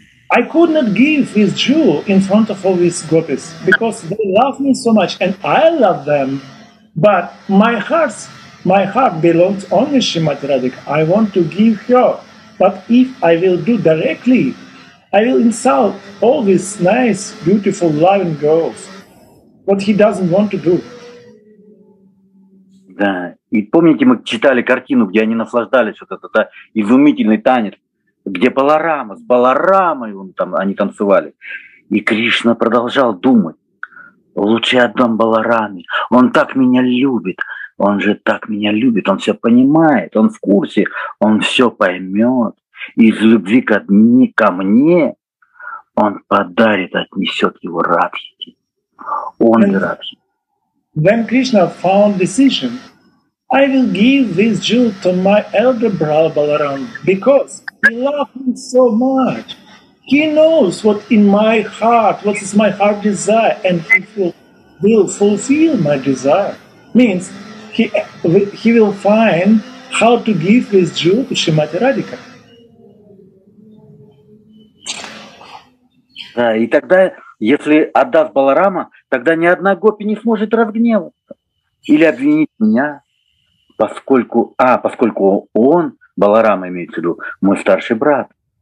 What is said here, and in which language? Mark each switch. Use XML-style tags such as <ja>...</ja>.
<en>I could not give his jewel in front of all these gopis because they love me so much and I love them, but my heart belongs only to Srimati Radhika. I want to give her, but if I will do directly, I will insult all these nice, beautiful, loving girls. What he doesn't want to do.</en> <ru>Да, и помните, мы читали картину, где они наслаждались, вот этот, да, изумительный танец, где Баларама, с Баларамой он там, они танцевали. И Кришна продолжал думать, лучше отдам Балараме, он так меня любит, он же так меня любит, он все понимает, он в курсе, он все поймет. И из любви ко мне он подарит, отнесет его Радхике.</ru> <en>own direction. When Krishna found decision, I will give this jewel to my elder brother Balaram because he loves me so much. He knows what in my heart, what is my heart desire, and he will fulfill my desire. Means he will find how to give this jewel to Shrimati Radhika.</en> <ru>Да, и тогда, если отдаст Баларама, тогда ни одна гопи не сможет разгневаться или обвинить меня, поскольку он, Баларама имеется в виду, мой старший брат.</ru>